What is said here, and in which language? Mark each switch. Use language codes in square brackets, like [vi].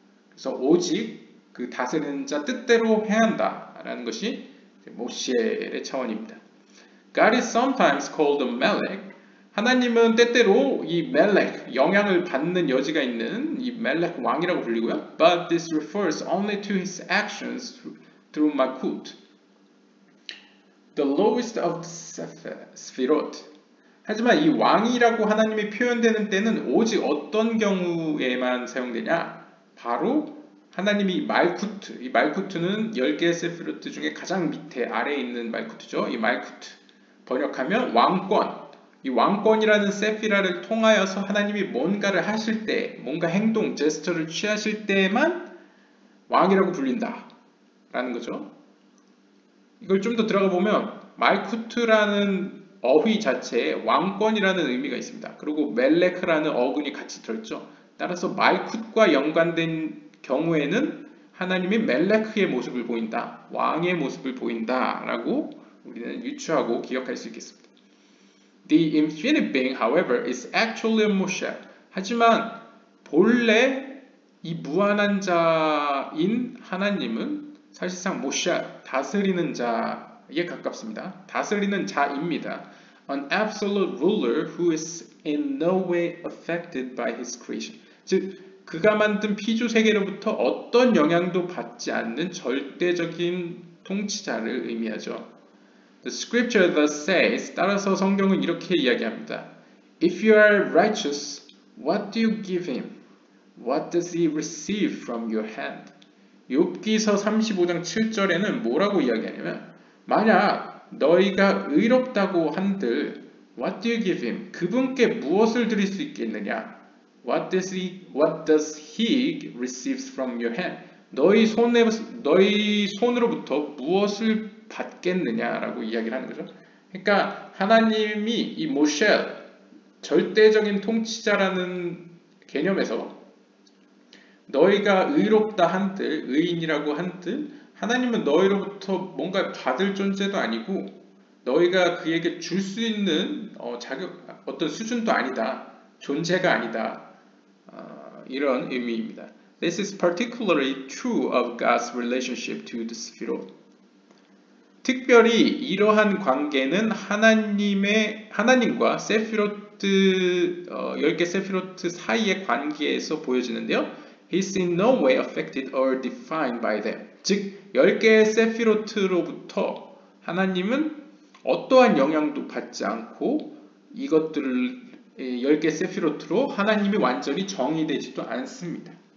[ko] 그래서 오직 그 다스리는 자 뜻대로 행한다라는 것이 모셰의 차원입니다. [en] God is sometimes called a melech. [ko] 하나님은 때때로 이 멜렉, 영향을 받는 여지가 있는 이 멜렉 왕이라고 불리고요. [en] But this refers only to his actions through Makut. The lowest of the Sefirot. [ko] 하지만 이 왕이라고 하나님이 표현되는 때는 오직 어떤 경우에만 사용되냐? 바로 하나님이 말쿠트, 이 말쿠트는 10개의 세피로트 중에 가장 밑에 아래에 있는 말쿠트죠. 이 말쿠트 번역하면 왕권, 이 왕권이라는 세피라를 통하여서 하나님이 뭔가를 하실 때, 뭔가 행동, 제스처를 취하실 때에만 왕이라고 불린다 라는 거죠. 이걸 좀 더 들어가 보면 말쿠트라는 어휘 자체에 왕권이라는 의미가 있습니다. 그리고 멜레크라는 어근이 같이 들었죠. 따라서 말쿠트와 연관된 경우에는 하나님이 멜렉의 모습을 보인다, 왕의 모습을 보인다라고 우리는 유추하고 기억할 수 있겠습니다. [en] The infinite being, however, is actually a Moshe. [ko] 하지만 본래 이 무한한 자인 하나님은 사실상 모샤, 다스리는 자에 가깝습니다. 다스리는 자입니다. [en] An absolute ruler who is in no way affected by his creation. [ko] 즉 그가 만든 피조 세계로부터 어떤 영향도 받지 않는 절대적인 통치자를 의미하죠. [en] The scripture thus says, [ko] 따라서 성경은 이렇게 이야기합니다. [en] If you are righteous, what do you give him? What does he receive from your hand? [ko] 욥기서 35장 7절에는 뭐라고 이야기하냐면, 만약 너희가 의롭다고 한들, [en] what do you give him? [ko] 그분께 무엇을 드릴 수 있겠느냐? [en] What does he receives from your hand? [ko] 너희 손으로부터 무엇을 받겠느냐라고 이야기를 하는 거죠. 그러니까 하나님이 이 모셸 절대적인 통치자라는 개념에서 너희가 의롭다 한들, 의인이라고 한들 하나님은 너희로부터 뭔가 받을 존재도 아니고 너희가 그에게 줄 수 있는 자격 어떤 수준도 아니다. 존재가 아니다. 이런 의미입니다. [en] This is particularly true of God's relationship to the Sefirot. [ko] 특별히 이러한 관계는 하나님과 세피로트 10개 세피로트 사이의 관계에서 보여지는데요. [en] He's in no way affected or defined by them. [ko] 즉 10개의 세피로트로부터 하나님은 어떠한 영향도 받지 않고 이것들을 10개 세피로트로 하나님이 완전히 정의되지도 않습니다.